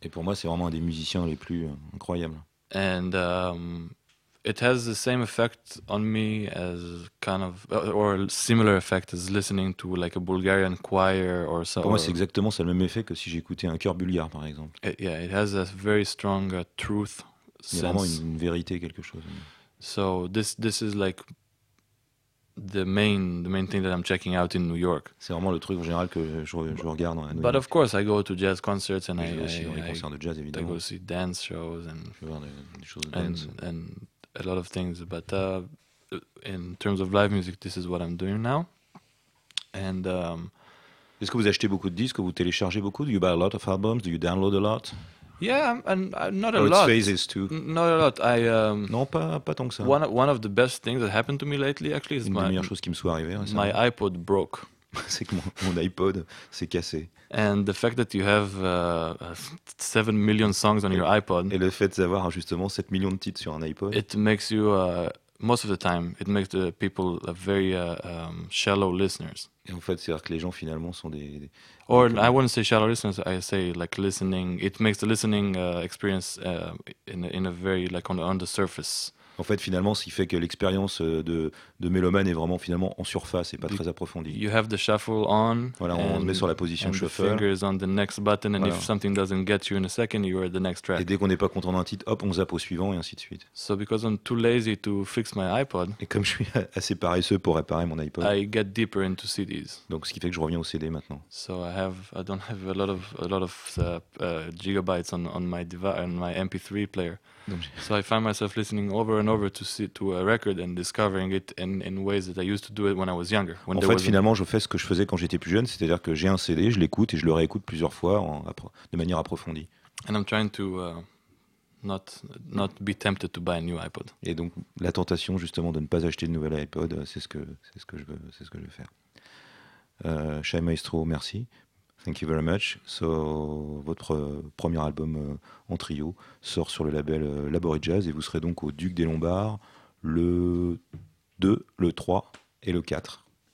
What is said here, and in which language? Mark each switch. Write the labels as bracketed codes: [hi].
[fr] Et pour moi, c'est vraiment un des musiciens les plus incroyables. [en] And it has the same effect on me as kind of, or similar effect as listening to like a Bulgarian choir or so. [fr] Pour moi, c'est exactement ça, le même effet que si j'écoutais un chœur bulgare, par exemple. [en] It has a very strong truth. [fr] C'est vraiment une vérité, quelque chose. [en] So this is like the main thing that I'm checking out in New York. [fr] C'est vraiment le truc en général que je regarde à New York. [en] But of course, I go to jazz concerts and I go [fr] aussi dans les concerts de jazz, évidemment. [en] I go see dance shows and [fr] des choses de dance [en] and a lot of things. But in terms of live music, this is what I'm doing now. And [fr] est-ce que vous achetez beaucoup de disques? Vous téléchargez beaucoup? [en] Do you buy a lot of albums? Do you download a lot? Yeah, and not a lot. Phases too. Not a lot. I [fr] non, pas tant que ça. [en] One of the best things that happened to me lately, actually, is [fr] my meilleure chose qui me soit arrivée, récemment. [en] My iPod broke. [fr] C'est que mon iPod s'est cassé. [en] And the fact that you have 7 million songs on your iPod. [fr] Et le fait d'avoir justement 7 millions de titres sur un iPod. [en] It makes you most of the time, it makes the people a very shallow listeners. [fr] Et en fait, c'est-à-dire que les gens finalement sont des [en] or comme I wouldn't say shallow listeners. I say like listening. It makes the listening experience in a very like on the surface. [fr] En fait, finalement, ce qui fait que l'expérience de mélomane est vraiment finalement en surface et pas très approfondie. [en] You have the shuffle on. [fr] Voilà, on met sur la position shuffle. [en] And the finger is on the next button, and voilà. If something doesn't get you in a second, you are at the next track. [fr] Et dès qu'on n'est pas content d'un titre, hop, on zappe au suivant et ainsi de suite. [en] So because I'm too lazy to fix my iPod. [fr] Et comme je suis assez paresseux pour réparer mon iPod. [en] I get deeper into CDs. [fr] Donc, ce qui fait que je reviens aux CD maintenant. [en] So I don't have a lot of gigabytes on my device, on my MP3 player. So I find myself listening over and over to a record and discovering it in ways that I used to do it when I was younger. [fr] En fait, finalement, je fais ce que je faisais quand j'étais plus jeune, c'est-à-dire que j'ai un CD, je l'écoute et je le réécoute plusieurs fois de manière approfondie. [en] And I'm trying to not be tempted to buy a new iPod. [fr] Et donc la tentation justement de ne pas acheter de nouvel iPod, c'est ce que je veux faire. Shai Maestro, merci. [en] Thank you very much. [fr] So, votre premier album en trio sort sur le label Labori Jazz et vous serez donc au Duc des Lombards le 2, le 3 et le 4.